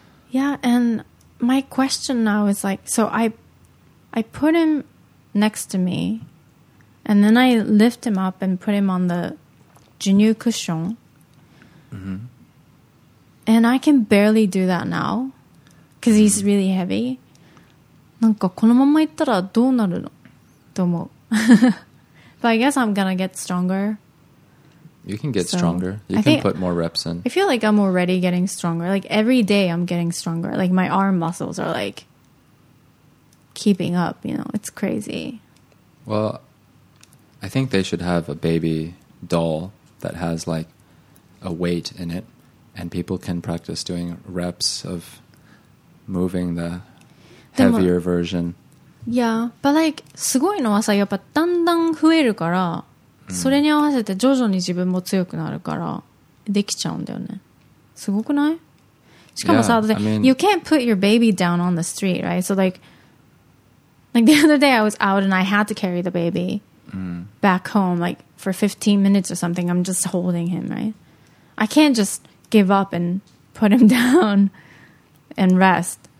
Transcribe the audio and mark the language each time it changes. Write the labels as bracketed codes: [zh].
[en] Yeah, and my question now is like, so I put him next to me and then I lift him up and put him on the genou cushion. Mm-hmm. And I can barely do that now because he's really heavy. [ja] なんかこのまま行ったらどうなるのと思う。 [en] But I guess I'm going to get stronger. You can get stronger. You can put more reps in. I feel like I'm already getting stronger. Like every day I'm getting stronger. Like my arm muscles are like keeping up, you know, it's crazy. Well, I think they should have a baby doll that has like a weight in it. And people can practice doing reps of moving the heavier version. Yeah, but like, [ja] すごいのはさ、やっぱだんだん増えるから、それに合わせて徐々に自分も強くなるから、できちゃうんだよね。すごくない？しかもさ、 [en] you can't put your baby down on the street, right? So like the other day I was out and I had to carry the baby back home, like for 15 minutes or something. I'm just holding him, right? I can't just give up and put him down and rest.